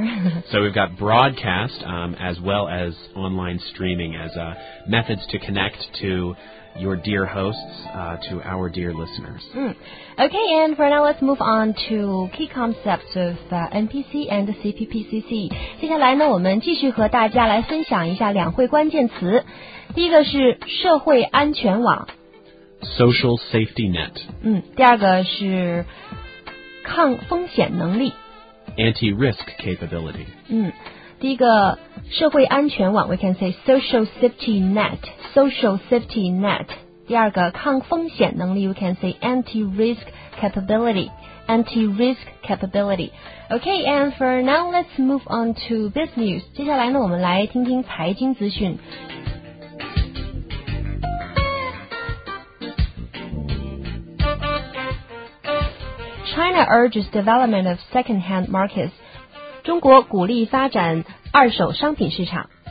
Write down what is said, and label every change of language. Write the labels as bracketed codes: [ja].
[en] Right. So we've got broadcast as well as online streaming as methods to connect to your dear hosts, to our dear listeners. Mm. Okay, and for now, let's move on to key concepts of NPC and CPPCC. [zh] 接下来呢，我们继续和大家来分享一下两会关键词。第一个是社会安全网 [en] ，social safety net。 [zh] 嗯，第二个是抗风险能力 [en] ，anti-risk capability。 [zh] 嗯。第一个社会安全网 [en] we can say social safety net, social safety net. [zh] 第二个抗风险能力 [en] we can say anti-risk capability, anti-risk capability. Okay, and for now let's move on to business news. [zh] 接下来呢我们来听听财经资讯。 [en] China urges development of second-hand markets. [zh] 中国鼓励发展二手商品市场。